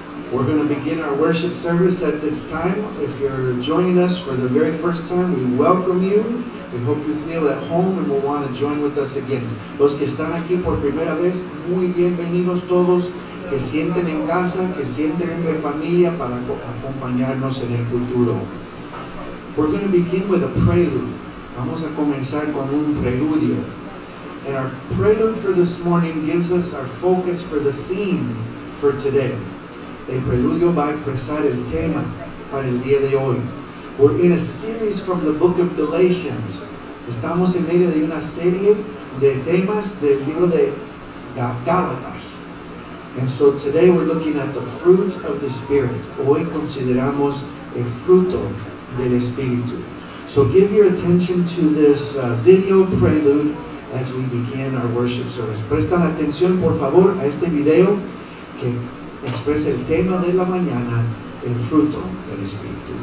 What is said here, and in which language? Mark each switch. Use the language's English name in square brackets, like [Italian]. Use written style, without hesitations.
[English] We're going to begin our worship service at this time. If you're joining us for the very first time, we welcome you. We hope you feel at home and will want to join with us again. [Spanish] Los que están aquí por primera vez, muy bienvenidos todos. Que sienten en casa, que sienten entre familia para acompañarnos en el futuro. [English] We're going to begin with a prelude. [Spanish] Vamos a comenzar con un preludio. [English] And our prelude for this morning gives us our focus for the theme for today. [Spanish] El preludio va a expresar el tema para el día de hoy. [English] We're in a series from the book of Galatians. [Spanish] Estamos en medio de una serie de temas del libro de Gálatas. [English] And so today we're looking at the fruit of the Spirit. [Spanish] Hoy consideramos el fruto del Espíritu. [English] So give your attention to this video prelude as we begin our worship service. [Spanish] Prestan atención, por favor, a este video que expresa el tema de la mañana, el fruto del Espíritu.